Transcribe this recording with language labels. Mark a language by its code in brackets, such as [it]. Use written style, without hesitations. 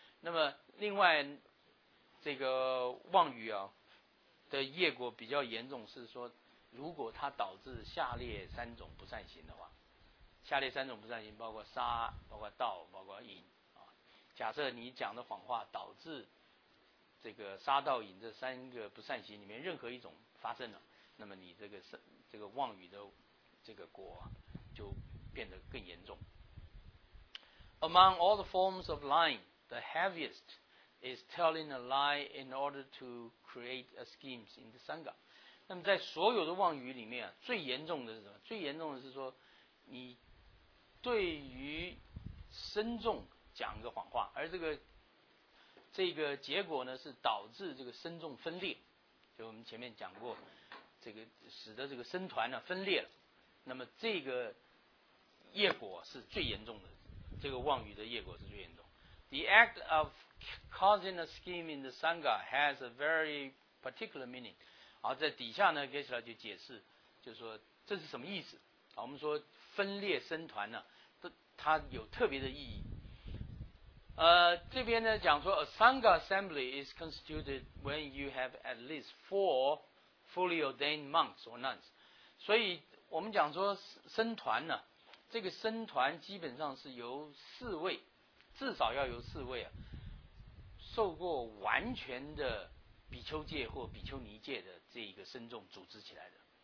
[zh] 那么另外这个妄语啊的业果比较严重是说，如果它导致下列三种不善行的话，下列三种不善行包括杀，包括盗，包括淫啊。假设你讲的谎话导致这个杀盗淫这三个不善行里面任何一种发生了，那么你这个妄语的这个果、就变得更严重。 [en] Among all the forms of lying, the heaviest is telling a lie in order to create a scheme in the Sangha. [zh] 那么在所有的妄语里面、最严重的是什么？最严重的是说，你对于僧众讲一个谎话，而这个结果呢，是导致这个僧众分裂。就我们前面讲过。这个使得这个僧团呢分裂了，那么这个业果是最严重的，这个妄语的业果是最严重。 [en] The act of causing a scheme in the Sangha has a very particular meaning。 [zh] 好，在底下呢，接下来就解释，就是说这是什么意思。好，我们说分裂僧团呢，它有特别的意义。这边呢讲说 [en] ，a Sangha assembly is constituted when you have at least four。 Fully ordained monks or nuns. [zh] 所以我们讲说僧团呢、这个僧团基本上是由四位，至少要由四位啊，受过完全的比丘戒或比丘尼戒的这一个僧众组织起来的。